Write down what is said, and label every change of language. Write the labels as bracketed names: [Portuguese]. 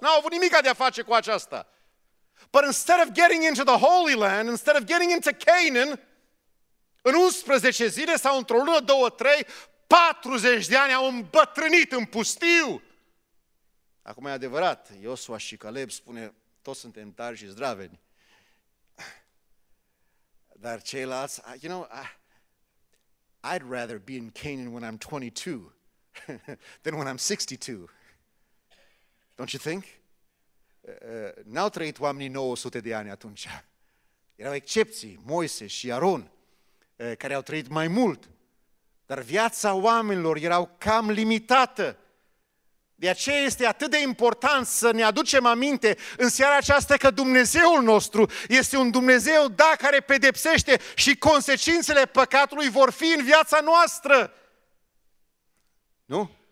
[Romanian] N-au avut nimic de a face cu aceasta. [English] But instead of getting into the Holy Land, instead of getting into Canaan, [Romanian] în 11 zile sau într-o lună, două, trei, 40 de ani au îmbătrânit în pustiu. Acum e adevărat, Iosua și Caleb spune, toți suntem tari și zdraveni. Dar ceilalți, [English] you know, I'd rather be in Canaan when I'm 22 than when I'm 62. Don't you think? [Romanian] N-au trăit oamenii 900 de ani atunci. Erau excepții, Moise și Aron, care au trăit mai mult. Dar viața oamenilor erau cam limitată. De aceea este atât de important să ne aducem aminte în seara aceasta că Dumnezeul nostru este un Dumnezeu, da, care pedepsește și consecințele păcatului vor fi în viața noastră. Nu?